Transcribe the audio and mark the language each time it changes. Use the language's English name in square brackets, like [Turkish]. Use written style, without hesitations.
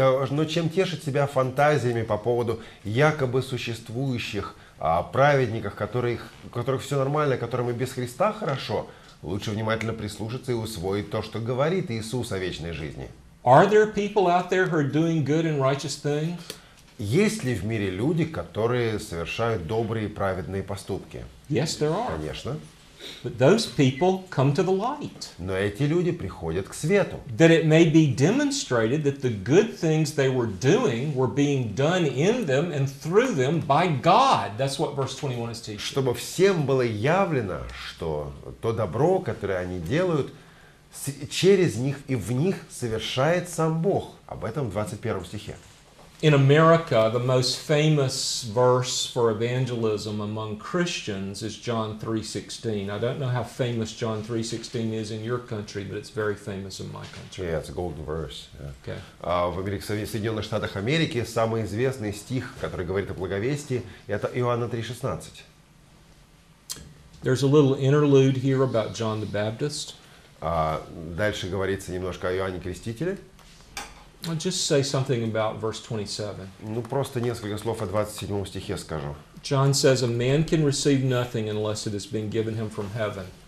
[Russian] Но чем тешить себя фантазиями по поводу якобы существующих праведников, которых все нормально, которым и без Христа хорошо, лучше внимательно прислушаться и усвоить то, что говорит Иисус о вечной жизни. [English] Are there people out there who are doing good and righteous things? [Russian] Есть ли в мире люди, которые совершают добрые и праведные поступки? [English] Yes, there are. [Russian] Конечно. [English] But those people come to the light. [Russian] Но эти люди приходят к свету. [English] That it may be demonstrated that the good things they were doing were being done in them and through them by God. That's what verse 21 is teaching. [Russian] Чтобы всем было явлено, что то добро, которое они делают, через них и в них совершает сам Бог. Об этом в 21 стихе. [English] In America, the most famous verse for evangelism among Christians is John 3:16. I don't know how famous John 3:16 is in your country, but it's very famous in my country. Yeah, it's a golden verse. Yeah. Okay. [Russian] В Америке, в Соединенных Штатах Америки самый известный стих, который говорит о благовестии, это Иоанна 3:16. [English] There's a little interlude here about John the Baptist. [Russian] Дальше говорится немножко о Иоанне Крестителе. [English] I'll just say something about verse 27. [Russian] Ну просто несколько слов о 27 стихе скажу. [English] John says a man can receive nothing unless it has been given him from heaven.